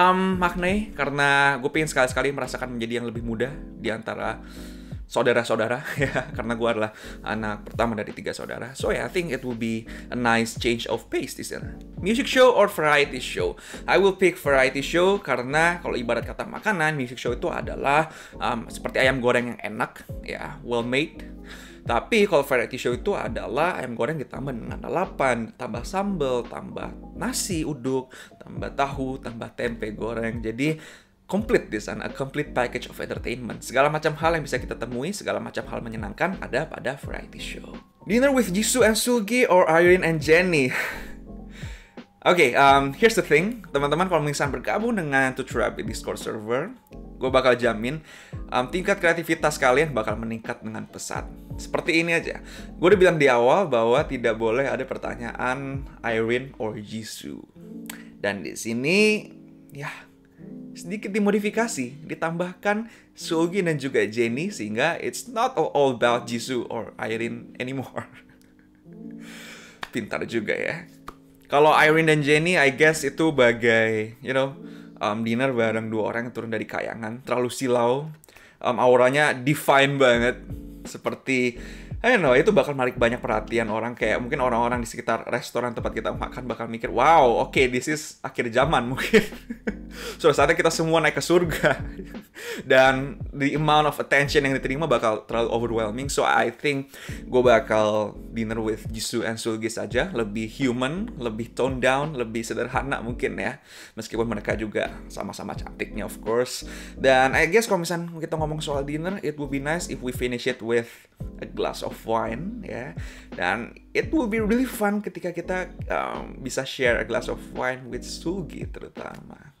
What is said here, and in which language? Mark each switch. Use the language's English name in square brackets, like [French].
[Indonesian] Maknae, karena gue pengen sekali-sekali merasakan menjadi yang lebih muda di antara saudara-saudara, ya, karena gue adalah anak pertama dari tiga saudara. [English] So yeah, I think it will be a nice change of pace this year. Music show or variety show? I will pick variety show [Indonesian] karena kalau ibarat kata makanan, [English] music show [Indonesian] itu adalah seperti ayam goreng yang enak, ya, [English] well made. [Indonesian] Tapi kalau variety show itu adalah ayam goreng ditambah dengan lalapan, tambah sambal, tambah nasi uduk, tambah tahu, tambah tempe goreng. [English] Jadi complete di sana, a complete package of entertainment. [Indonesian] Segala macam hal yang bisa kita temui, segala macam hal menyenangkan ada pada variety show. [English] Dinner with Jisoo and Sugi or Irene and Jennie? Okay, here's the thing. [Indonesian] Teman-teman kalau misalnya bergabung dengan Tuturabit Discord server, gue bakal jamin tingkat kreativitas kalian bakal meningkat dengan pesat. Seperti ini aja. Gue udah bilang di awal bahwa tidak boleh ada pertanyaan Irene or Jisoo. Dan di sini, ya, sedikit dimodifikasi, ditambahkan Sugi dan juga Jennie sehingga [English] it's not all about Jisoo or Irene anymore. [Indonesian] Pintar juga ya. Kalau Irene dan Jennie, I guess itu bagai, [English] you know, [Indonesian] dinner bareng dua orang yang turun dari kayangan, terlalu silau, auranya divine banget, seperti [English] I know, [Indonesian] itu bakal menarik banyak perhatian orang. Kayak mungkin orang-orang di sekitar restoran tempat kita makan bakal mikir, wow, oke, [English] okay, this is [Indonesian] akhir zaman mungkin. Sudah saatnya kita semua naik ke surga. Dan [English] the amount of attention [Indonesian] yang diterima bakal terlalu overwhelming. [English] So I think [Indonesian] gue bakal [English] dinner with Jisoo and Sulgi saja. [Indonesian] Lebih human, lebih toned down, lebih sederhana mungkin ya. Meskipun mereka juga sama-sama cantiknya, [English] of course. Dan I guess [Indonesian] kalau misalnya kita ngomong soal [English] dinner, it would be nice if we finish it with a glass of wine, ya. Yeah. Dan it will be really fun [Indonesian] ketika kita bisa [English] share a glass of wine with Sugi terutama.